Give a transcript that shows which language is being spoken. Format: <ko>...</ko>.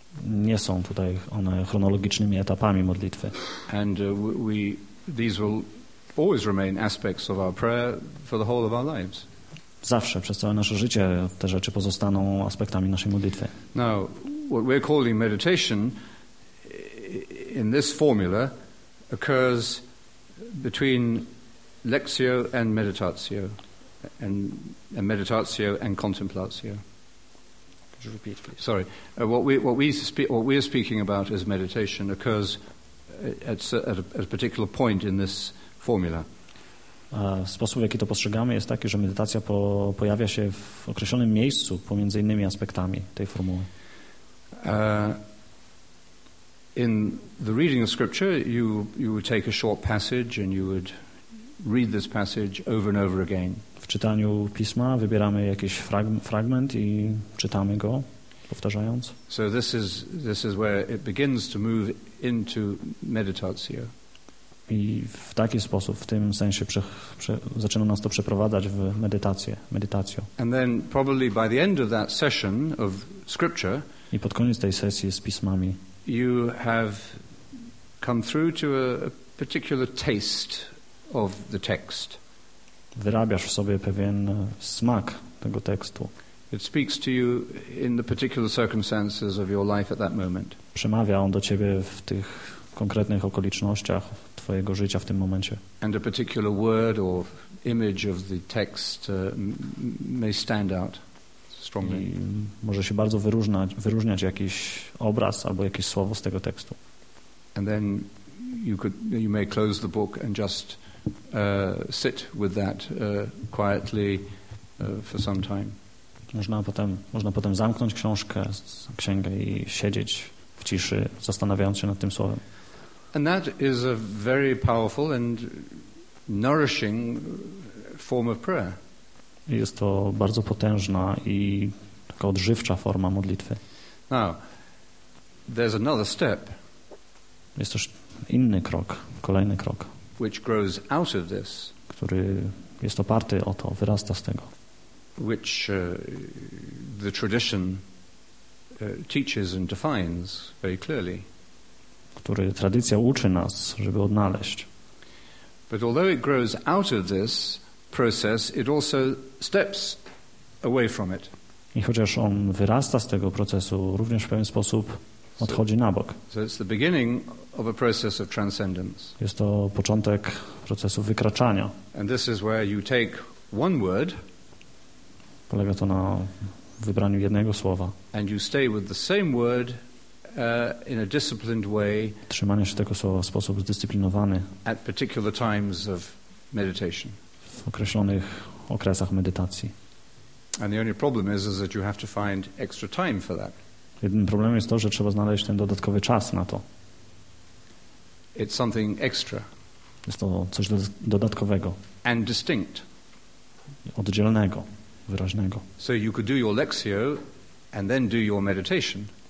<pl>Nie są tutaj one chronologicznymi etapami modlitwy.</pl> <en>And these will always remain aspects of our prayer for the whole of our lives.</en> <pl>Zawsze, przez całe nasze życie, te rzeczy pozostaną aspektami naszej modlitwy.</pl> <en>Now, what we're calling meditation in this formula occurs between lectio and meditatio, and meditatio and contemplatio. Could you repeat, please? Sorry. What we are speaking about as meditation occurs at a particular point in this formula.</en> <pl>Sposób, w jaki to postrzegamy, jest taki, że medytacja pojawia się w określonym miejscu pomiędzy innymi aspektami tej formuły.</pl> <en>In the reading of Scripture, you would take a short passage and you would read this passage over and over again.</en> <pl>W czytaniu pisma wybieramy jakiś fragment i czytamy go, powtarzając.</pl> <en>So this is where it begins to move into meditatio.</en> <pl>I w taki sposób, w tym sensie zaczyna nas to przeprowadzać w medytację.</pl> <en>And then probably by the end of that session of scripture,</en> <pl>i pod koniec tej sesji z pismami,</pl> <en>you have come through to a particular taste of the text.</en> <pl>Wyrabiasz w sobie pewien smak tego tekstu.</pl> <en>It speaks to you in the particular circumstances of your life at that moment.</en> <pl>Przemawia on do ciebie w tych konkretnych okolicznościach twojego życia w tym momencie.</pl> <en>And a particular word or image of the text may stand out strongly.</en> <pl>I może się bardzo wyróżniać jakiś obraz albo jakieś słowo z tego tekstu.</pl> <en>And then you may close the book and just sit with that quietly for some time.</en> <pl>Można potem zamknąć księgę i siedzieć w ciszy, zastanawiając się nad tym słowem.</pl> <en>And that is a very powerful and nourishing form of prayer.</en> <pl>Jest to bardzo potężna i taka odżywcza forma modlitwy.</pl> <en>Now, there's another step.</en> <pl>Jest też inny krok, kolejny krok,</pl> <en>which grows out of this,</en> <pl>który jest oparty o to, wyrasta z tego,</pl> <en>which the tradition teaches and defines very clearly.</en> <pl>Który tradycja uczy nas, żeby odnaleźć.</pl> <en>But although it grows out of this process, it also steps away from it.</en> <pl>I chociaż on wyrasta z tego procesu, również w pewien sposób odchodzi na bok.</pl> <en>So it's the beginning of a process of transcendence.</en> <pl>Jest to początek procesu wykraczania.</pl> <en>And this is where you take one word.</en> <pl>Polega to na wybraniu jednego słowa.</pl> <en>And you stay with the same word in a disciplined way.</en> <pl>Trzymanie się tego słowa w sposób zdyscyplinowany.</pl> <en>At particular times of meditation.</en> <pl>W określonych okresach medytacji.</pl> <en>And the only problem is that you have to find extra time for that.</en> <pl>Jedynym problemem jest to, że trzeba znaleźć ten dodatkowy czas na to.</pl> <en>It's something extra.</en> <pl>Jest to coś dodatkowego.</pl> <en>And distinct.</en> <pl>Oddzielnego, wyraźnego.</pl> <en>So you could do your lectio and then do your meditation.</en>